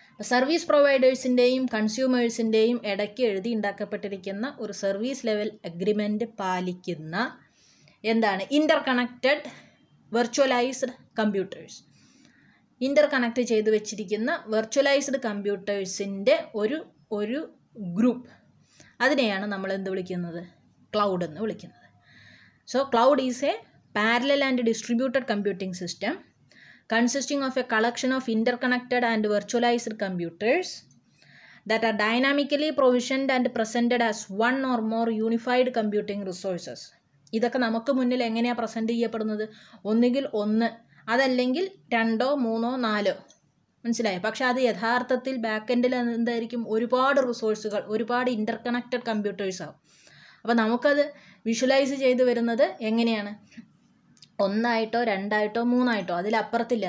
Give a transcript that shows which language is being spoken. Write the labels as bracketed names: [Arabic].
[Malayalam] Service പ്രൊവൈഡേഴ്സിൻ്റെയും കൺസ്യൂമേഴ്സിൻ്റെയും ഇടയ്ക്ക് എഴുതി ഉണ്ടാക്കപ്പെട്ടിരിക്കുന്ന ഒരു സർവീസ് ലെവൽ അഗ്രിമെൻറ്റ് പാലിക്കുന്ന എന്താണ് ഇൻ്റർ കണക്റ്റഡ് വെർച്വലൈസ്ഡ് കമ്പ്യൂട്ടേഴ്സ്. ഇൻ്റർ കണക്റ്റ് ചെയ്ത് വെച്ചിരിക്കുന്ന വെർച്വലൈസ്ഡ് കമ്പ്യൂട്ടേഴ്സിൻ്റെ ഒരു ഗ്രൂപ്പ്, അതിനെയാണ് നമ്മൾ എന്ത് വിളിക്കുന്നത്? ക്ലൗഡ് എന്ന് വിളിക്കുന്നത്. [English] So cloud is a parallel and distributed computing system consisting of a collection of interconnected and virtualized computers that are dynamically provisioned and presented as one or more unified computing resources. [Malayalam] ഇതൊക്കെ നമുക്ക് മുന്നിൽ എങ്ങനെയാണ് present ചെയ്യപ്പെടുന്നത്? ഒന്നുകിൽ ഒന്ന്, അതല്ലെങ്കിൽ രണ്ടോ മൂന്നോ നാലോ, മനസ്സിലായോ? പക്ഷേ അത് യഥാർത്ഥത്തിൽ ബാക്ക് എൻഡിൽ എന്തായിരിക്കും? ഒരുപാട് റിസോഴ്സുകൾ, ഒരുപാട് ഇൻ്റർകണക്റ്റഡ് കമ്പ്യൂട്ടേഴ്സാവും. അപ്പോൾ നമുക്കത് വിഷ്വലൈസ് ചെയ്ത് വരുന്നത് എങ്ങനെയാണ്? ഒന്നായിട്ടോ രണ്ടായിട്ടോ മൂന്നായിട്ടോ, അതിലപ്പുറത്തില്ല.